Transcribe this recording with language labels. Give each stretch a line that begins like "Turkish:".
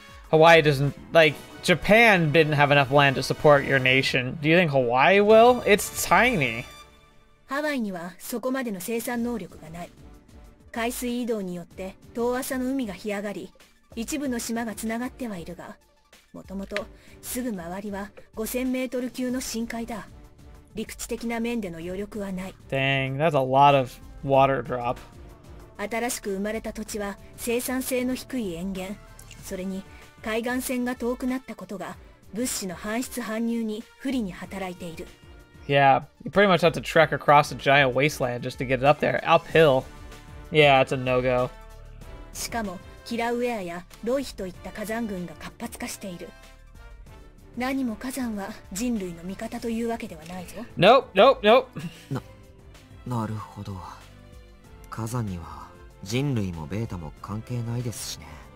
English: Hawaii doesn't... Like, Japan didn't have enough land to support your nation. Do you think Hawaii will? It's tiny. Hawaii has no such production ability. The water flow of the sea has risen, and some islands are connected.
Japanese: もともとすぐ周りは5000メートル級の深海だ。陸地的な面での余力はない。
English: Dang, that's a lot of water drop.
Japanese: 新しく生まれた土地は生産性の低い塩原。それに海岸線が遠くなったことが物資の搬出搬入に不利に働いている。
English: Yeah, you pretty much have to trek across a giant wasteland just to get it up there. Uphill. Yeah, it's a no-go.
Japanese: しかも、キラウエアやロイヒといった火山群が活発化している。何も火山は人類の味方というわけではないぞ。
English: Nope, nope, nope.
Japanese: なるほど。火山には人類もベータも関係ないですしね。